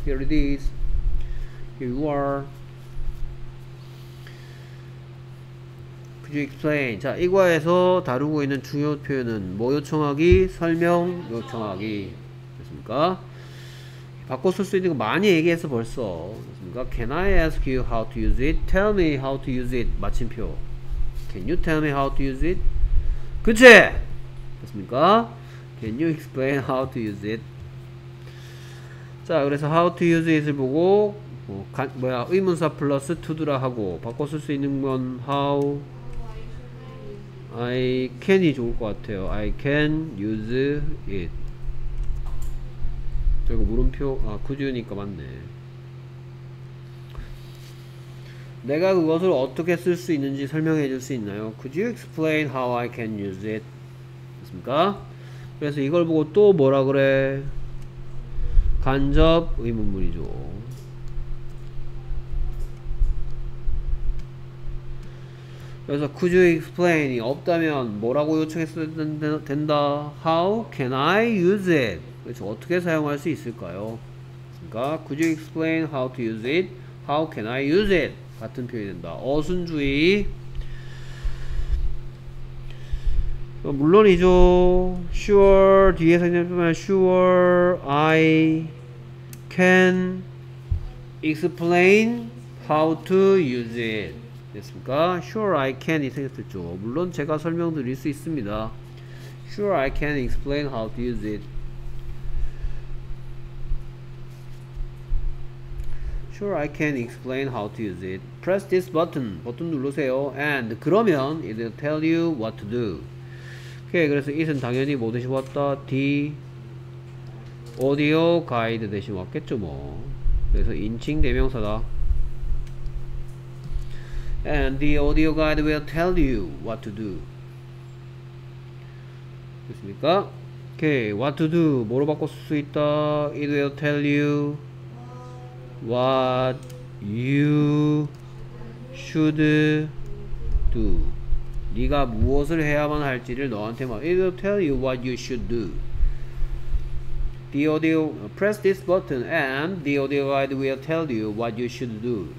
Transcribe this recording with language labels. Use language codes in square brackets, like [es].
[en] here it is. Here you are. Could you explain? [ko] 자, 이 과에서 다루고 있는 주요 표현은 뭐 요청하기? 설명 요청하기. 됐습니까? 바꿔 쓸 수 있는 거 많이 얘기해서 벌써. 됐습니까? [en] Can I ask you how to use it? Tell me how to use it. [ko] 마침표. [en] Can you tell me how to use it? [ko] 그치? 됐습니까? [en] Can you explain how to use it? [ko] 자, 그래서 how to use it을 보고 뭐, 뭐야 의문사 플러스 to do라 하고 바꿔 쓸 수 있는 건 how I can이 좋을 것 같아요. [en] I can use it. [ko] 그리고 물음표 아 could니까 맞네. 내가 그것을 어떻게 쓸 수 있는지 설명해 줄 수 있나요? [en] Could you explain how I can use it? [ko] 됐습니까? 그래서 이걸 보고 또 뭐라 그래? 간접 의문문이죠. 그래서 could you explain이 없다면 뭐라고 요청했어야 된다? [en] How can I use it? [ko] 그렇죠. 어떻게 사용할 수 있을까요? 그러니까 [en] could you explain how to use it? How can I use it? [ko] 같은 표현이 된다. 어순주의. 물론이죠. [en] Sure, [ko] 뒤에 생략하면 [en] Sure, I can explain how to use it. [ko] 됐습니까? [en] Sure, I can [ko] 이 생겼죠. 물론 제가 설명드릴 수 있습니다. [en] Sure, I can explain how to use it. Sure, I can explain how to use it. Press this button. [ko] 버튼 누르세요. [en] And [ko] 그러면 [en] it'll tell you what to do. [ko] 오케이, 그래서 it은 당연히 뭐 대신 왔다? D 오디오 가이드 대신 왔겠죠 뭐. 그래서 인칭 대명사다. [en] And the audio guide will tell you what to do. [ko] 됐습니까? 오케이, what to do 뭐로 바꿀 수 있다? [en] It will tell you what you should do. [ko] 네가 무엇을 해야만 할지를 너한테 말. [en] It will tell you what you should do. The audio, press this button and the audio guide will tell you what you should do.